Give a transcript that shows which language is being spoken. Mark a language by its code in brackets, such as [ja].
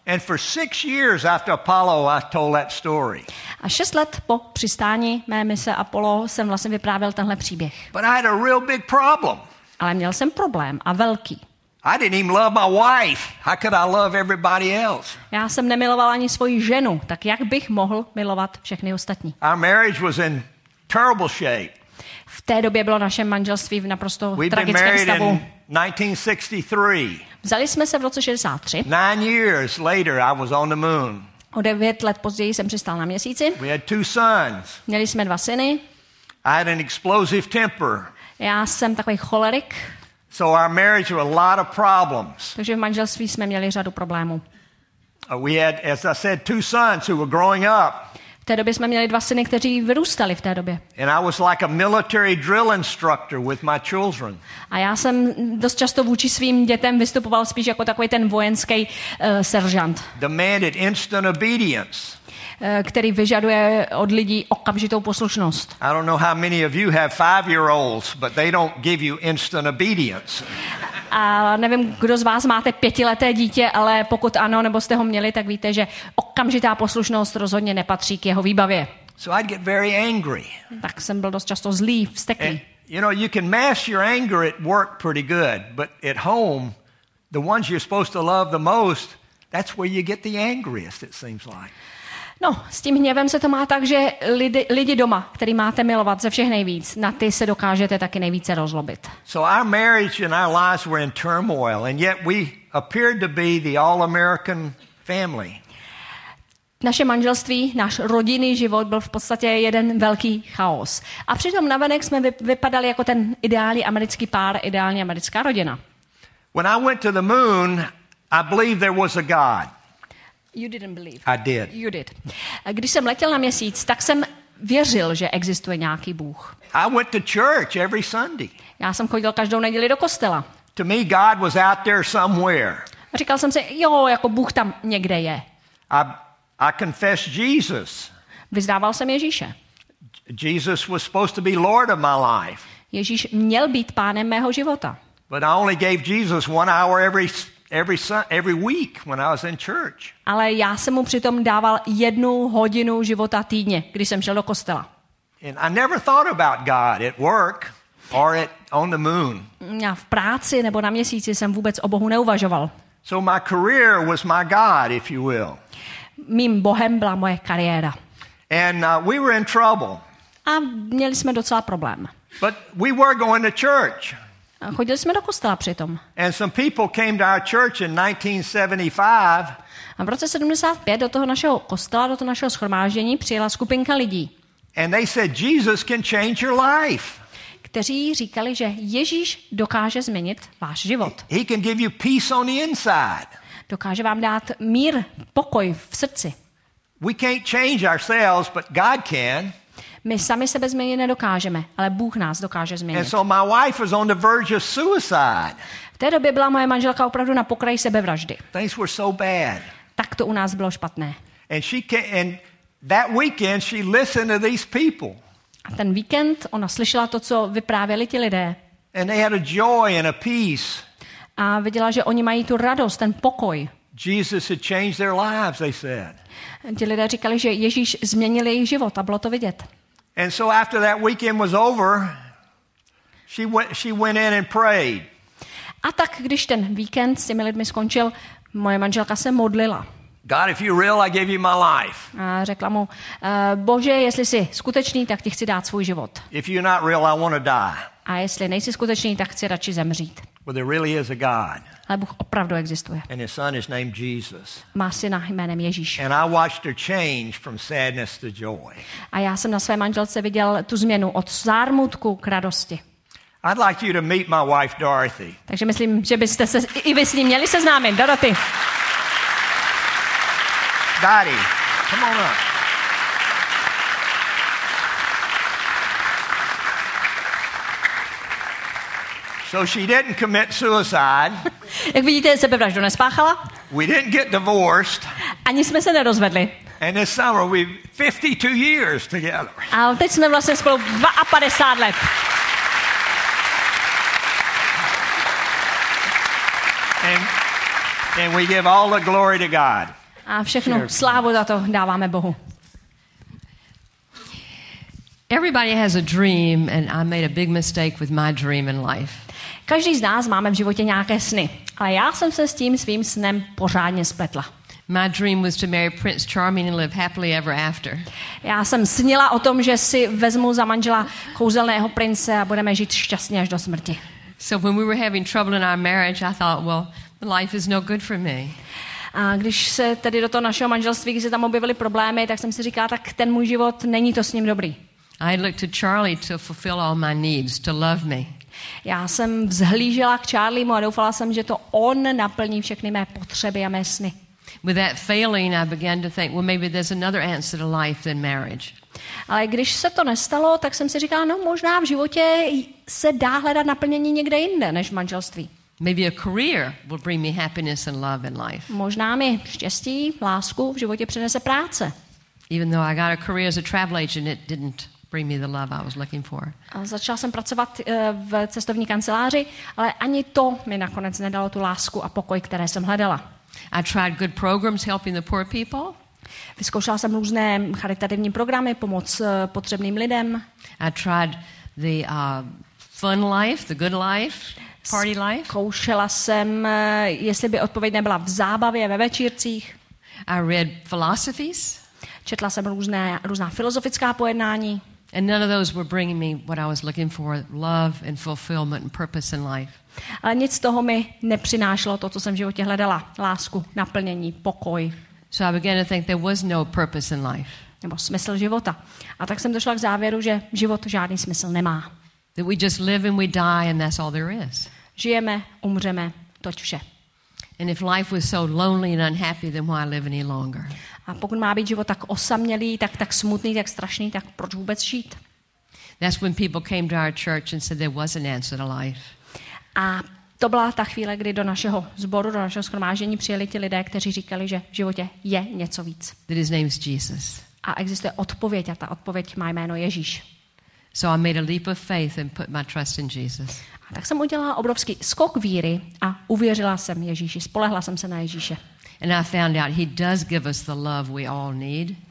[en] And for 6 years after Apollo, I told that story. [cs] A 6 let po přistání mé mise Apollo jsem vlastně vyprávěl tenhle příběh. [en] But I had a real big problem. [cs] Ale měl jsem problém a velký. [en] I didn't even love my wife. How could I love everybody else? [cs] Já jsem nemiloval ani svoji ženu, tak jak bych mohl milovat všechny ostatní? [en] Our marriage was in terrible shape. [cs] V té době bylo naše manželství v naprosto tragickém stavu. [en] We'd been married in 1963. [cs] Vzali jsme se v roce 63. [en] 9 years later, I was on the moon. [cs] O 9 let později jsem přistál na měsíci. [en] We had 2 sons. [cs] Měli jsme 2 syny. [en] I had an explosive temper. [cs] Já jsem takový cholerik. [en] So our marriage had a lot of problems. [cs] Takže v manželství jsme měli řadu problémů. [en] We had, as I said, 2 sons who were growing up. [cs] V té době jsme měli 2 syny, kteří vyrůstali v té době. [en] And I was like a military drill instructor with my children. [cs] A já jsem dost často vůči svým dětem vystupoval spíš jako takový ten vojenský seržant. [en] Demanded instant obedience. [cs] Který vyžaduje od lidí okamžitou poslušnost. [en] I don't know how many of you have 5-year-olds, but they don't give you instant obedience. [cs] A nevím, kdo z vás máte 5leté dítě, ale pokud ano, nebo jste ho měli, tak víte, že okamžitá poslušnost rozhodně nepatří k jeho výbavě. [en] So I'd get very angry. [cs] Tak jsem byl dost často zlý, vzteklý. [en] You know, you can mask your anger at work pretty good, but at home, the ones you're supposed to love the most, that's where you get the angriest, it seems like. [cs] No, s tím hněvem se to má tak, že lidi doma, který máte milovat ze všech nejvíc, na ty se dokážete taky nejvíce rozlobit. [en] So our marriage and our lives were in turmoil, and yet we appeared to be the all-American family. [cs] Naše manželství, náš rodinný život byl v podstatě jeden velký chaos. A přitom navenek jsme vypadali jako ten ideální americký pár, ideální americká rodina. [en] When I went to the moon, I believed there was a God. You didn't believe. I did. You did. [cs] Když jsem letěl na měsíc, tak jsem věřil, že existuje nějaký Bůh. [en] I went to church every Sunday. [cs] Já jsem chodil každou neděli do kostela. [en] To me, God was out there somewhere. [cs] Říkal jsem si, jo, jako Bůh tam někde je. [en] I confessed Jesus. [cs] Vyznával jsem Ježíše. [en] Jesus was supposed to be Lord of my life. [cs] Ježíš měl být pánem mého života. [en] But I only gave Jesus 1 hour every week when I was in church. [cs] Ale já jsem mu přitom dával 1 hodinu života týdně, když jsem šel do kostela. [en] And I never thought about God at work or at on the moon. [cs] Já v práci nebo na měsíci jsem vůbec o Bohu neuvažoval. [en] So my career was my God, if you will. [cs] Mým Bohem byla moje kariéra. [en] And we were in trouble. [cs] A měli jsme docela problém. [en] But we were going to church. [cs] A chodili jsme do kostela přitom. [en] And some people came to our church in 1975. [cs] A v roce 75 do toho našeho kostela, do toho našeho shromáždění přijela skupinka lidí. [en] And they said Jesus can change your life. [cs] Kteří říkali, že Ježíš dokáže změnit váš život. [en] He can give you peace on the inside. [cs] Dokáže vám dát mír, pokoj v srdci. [en] We can't change ourselves, but God can. [cs] My sami sebe změnit nedokážeme, ale Bůh nás dokáže změnit. [en] And so my wife was on the verge of suicide. [cs] V té době byla moje manželka opravdu na pokraji sebevraždy. [en] Things were so bad. [cs] Tak to u nás bylo špatné. [en] And that weekend she listened to these people. [cs] A ten víkend ona slyšela to, co vyprávěli ti lidé. [en] And they had a joy and a peace. [cs] A viděla, že oni mají tu radost, ten pokoj. [en] Jesus had changed their lives, they said. [cs] Ti lidé říkali, že Ježíš změnil jejich život a bylo to vidět. [en] And so after that weekend was over, she went in and prayed. [cs] A tak když ten víkend s těmi lidmi skončil, moje manželka se modlila. [en] God, if you're real, I give you my life. [cs] A řekla mu: Bože, jestli jsi skutečný, tak ti chci dát svůj život. [en] If you're not real, I want to die. [cs] A jestli nejsi skutečný, tak chci radši zemřít. [en] But there really is a God. [cs] Ale Bůh opravdu existuje. [en] And his son is named Jesus. [cs] Má syna jménem Ježíš. [en] And I watched her change from sadness to joy. [cs] A já jsem na své manželce viděl tu změnu od zármutku k radosti. [en] I'd like you to meet my wife Dorothy. [cs] Takže myslím, že byste se i vy s ní měli seznámit, Dorothy. [en] Dottie, come on up. So she didn't commit suicide. [cs] Jak vidíte, sebevraždu nespáchala. [en] We didn't get divorced. [cs] Ani jsme se nerozvedli. [en] And this summer we've 52 years together. [cs] A teď jsme vlastně spolu 52 let. [en] And we give all the glory to God. [cs] A všechnu slávu za to dáváme Bohu. [en] Everybody has a dream and I made a big mistake with my dream in life. [cs] Každý z nás máme v životě nějaké sny. A já jsem se s tím svým snem pořádně spletla. [en] My dream was to marry Prince Charming and live happily ever after. [cs] Já jsem snila o tom, že si vezmu za manžela kouzelného prince a budeme žít šťastně až do smrti. [en] So when we were having trouble in our marriage, I thought, well, life is no good for me. [cs] A když se tedy do toho našeho manželství, když se tam objevily problémy, tak jsem si říkala, tak ten můj život není to s ním dobrý. [en] I looked to Charlie to fulfill all my needs, to love me. [cs] Já jsem vzhlížela k Charliemu a doufala jsem, že to on naplní všechny mé potřeby a mé sny. [en] With that failing, I began to think, well, maybe there's another answer to life than marriage. [cs] Ale když se to nestalo, tak jsem si říkala, no možná v životě se dá hledat naplnění někde jinde než v manželství. [en] Maybe a career will bring me happiness and love in life. [cs] Možná mi štěstí, lásku v životě přinese práce. [en] Even though I got a career as a travel agent, it didn't bring me the love I was looking for. [cs] A začala jsem pracovat v cestovní kanceláři, ale ani to mi nakonec nedalo tu lásku a pokoj, které jsem hledala. [en] I tried good programs helping the poor people. [cs] Vyzkoušela jsem různé charitativní programy, pomoc potřebným lidem. [en] I tried the fun life, the good life, party life. [cs] Zkoušela jsem, jestli by odpověď nebyla v zábavě, ve večírcích. [en] I read philosophies. [cs] Četla jsem různá filozofická pojednání. [en] And none of those were bringing me what I was looking for, love and fulfillment and purpose in life. [cs] Ale nic z toho mi nepřinášlo to, co jsem v životě hledala. Lásku, naplnění, pokoj. [en] So I began to think there was no purpose in life. [cs] Nebo smysl života. A tak jsem došla k závěru, že život žádný smysl nemá. [en] That we just live and we die and that's all there is. [cs] Žijeme, umřeme, toť vše. [en] And if life was so lonely and unhappy, then why live any longer? [cs] A pokud má být život tak osamělý, tak smutný, tak strašný, tak proč vůbec žít? [en] That's when people came to our church and said there was an answer to life. [cs] A to byla ta chvíle, kdy do našeho sboru, do našeho shromáždění přijeli ti lidé, kteří říkali, že v životě je něco víc. [en] That his name is Jesus. [cs] A existuje odpověď a ta odpověď má jméno Ježíš. [en] So I made a leap of faith and put my trust in Jesus. [cs] A tak jsem udělala obrovský skok víry a uvěřila jsem Ježíši, spolehla jsem se na Ježíše. [en] And I found out he does give us the love we all need.